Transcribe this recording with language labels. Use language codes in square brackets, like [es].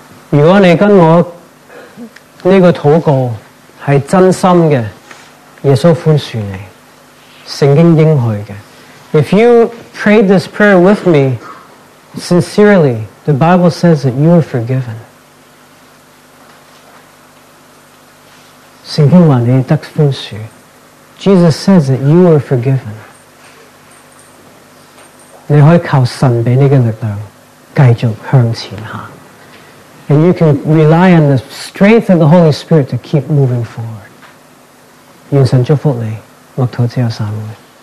[zh] 如果你跟我这个祷告是真心的，耶稣宽恕你，圣经应许的。 [en] If you prayed this prayer with me sincerely, the Bible says that you are forgiven. [zh] 圣经说你得宽恕。 [en] Jesus says that you are forgiven. [zh] 你可以靠神给你的力量继续向前行。 [en] And you can rely on the strength of the Holy Spirit to keep moving forward. [zh] 愿神祝福你，默祷之后散会。